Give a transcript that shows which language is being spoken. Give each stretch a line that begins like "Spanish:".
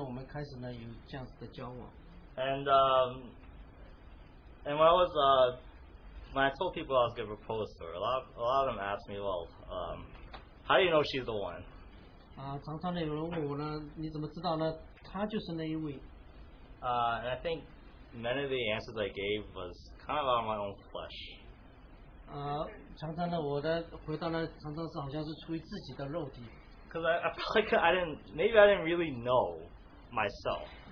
Chinese: 就在那个的夏天呢，我们开始呢有这样子的交往。
English: And when I told people I was going to propose to her, a lot of them asked me, well, how do you know she's the one?
Chinese: 常常呢有人问我呢，你怎么知道呢？她就是那一位。
English: And I think many of the answers I gave was kind of out of my own flesh.
Chinese: 常常呢，我的回答呢，常常是好像是出于自己的肉体。
English: Because I felt like I didn't really know myself.